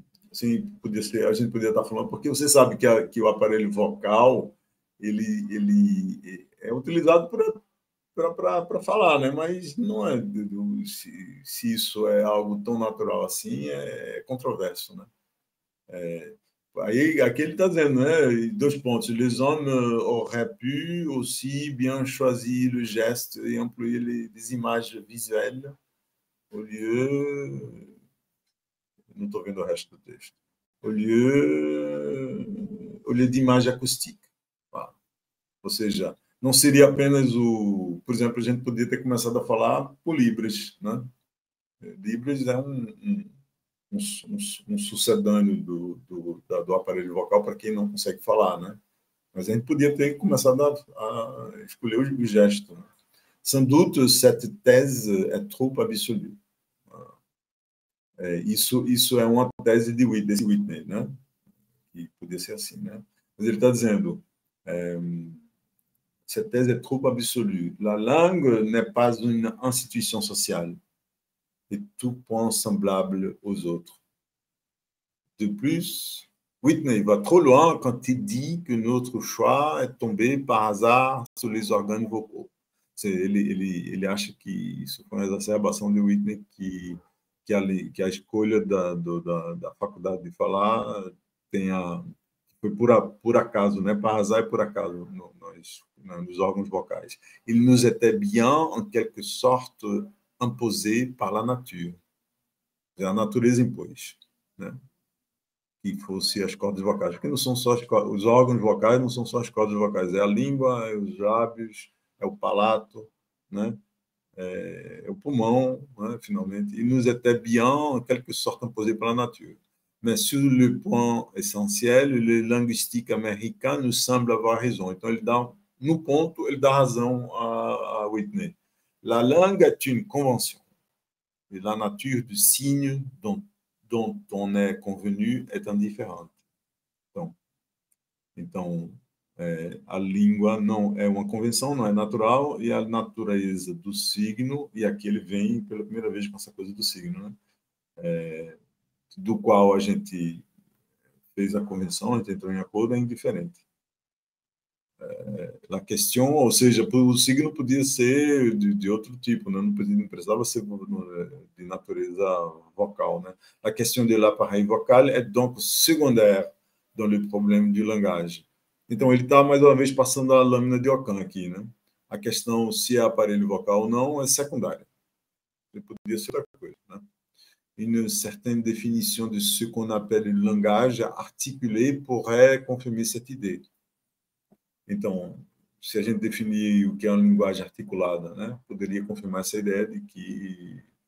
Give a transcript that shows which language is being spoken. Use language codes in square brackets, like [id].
[pt] Sim, a gente podia estar falando, porque você sabe que o aparelho vocal ele é utilizado para falar, né? Mas não é se isso é algo tão natural assim, é controverso, né? Aí aqui ele está dizendo, né? Dois pontos: [fr] les hommes auraient pu aussi bien choisir le geste et employer les images visuelles au lieu. [pt] Não estou vendo o resto do texto. Olhei de imagem acústica. Ah, ou seja, não seria apenas o... Por exemplo, a gente podia ter começado a falar por Libras, né? Libras é um sucedâneo do aparelho vocal para quem não consegue falar, né? Mas a gente podia ter começado a escolher o gesto. Né? [fr] Sans doute, cette thèse est trop absolue. [pt] Isso é uma tese desse Whitney, né? E podia ser assim, né? Mas ele está dizendo, [fr] cette thèse est trop absolue. La langue n'est pas une institution sociale et tout point semblable aux autres. De plus, Whitney va trop loin quand il dit que notre choix est tombé par hasard sur les organes vocaux. [pt] Ele acha que isso foi uma exacerbação de Whitney que a escolha da faculdade de falar foi por acaso, né? Para arrasar é por acaso nos órgãos vocais. [fr] Il nous était bien, en quelque sorte, imposé par la nature. [pt] A natureza impôs, né? Que fosse as cordas vocais. Porque não são só os órgãos vocais, não são só as cordas vocais. É a língua, é os lábios, é o palato, né? É o pulmão, né, finalmente. [fr] Il nous était bien, en quelque sorte, imposé par la nature. Mais sur le point essentiel, le linguistique américain nous semble avoir raison. [pt] Então, ele dá razão à Whitney. [fr] La langue est une convention. Et la nature du signe dont on est convenu est indifférente. [pt] Então, a língua não é uma convenção, não é natural, e a natureza do signo, e aqui ele vem pela primeira vez com essa coisa do signo, né? Do qual a gente fez a convenção, a gente entrou em acordo, é indiferente. [fr] La question, [pt] ou seja, o signo podia ser de outro tipo, né? não precisava ser de natureza vocal, né? [fr] La question de l'appareil vocal est donc secondaire dans le problème du langage. [pt] Então, ele está, mais uma vez, passando a lâmina de Ockham aqui, né? A questão se é aparelho vocal ou não é secundária. Ele poderia ser outra coisa, né? [fr] Une certaine définition de ce qu'on appelle le langage articulé pourrait confirmer cette idée. [pt] Então, se a gente definir o que é uma linguagem articulada, né? Poderia confirmar essa ideia de que...